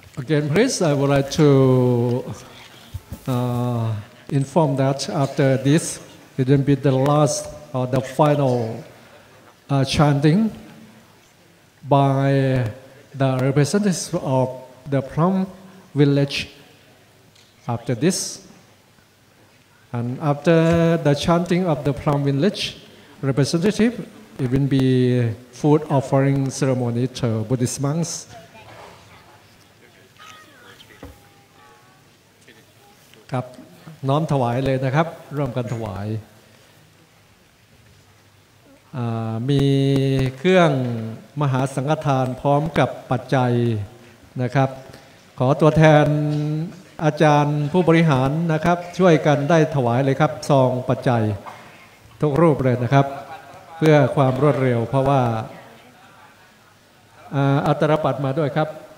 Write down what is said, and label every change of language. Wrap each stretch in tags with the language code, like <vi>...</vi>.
<en>Again, please, I would like to inform that after this, it will be the last or the final chanting by the representatives of the Plum Village after this. And after the chanting of the Plum Village representative, it will be food offering ceremony to Buddhist monks.</en> <th>ครับน้อมถวายเลยนะครับร่วมกันถวายมีเครื่องมหาสังฆทานพร้อมกับปัจจัยนะครับขอตัวแทนอาจารย์ผู้บริหารนะครับช่วยกันได้ถวายเลยครับซองปัจจัยทุกรูปเลยนะครับเพื่อความรวดเร็วเพราะว่าอัตรปัตรมาด้วยครับ</th>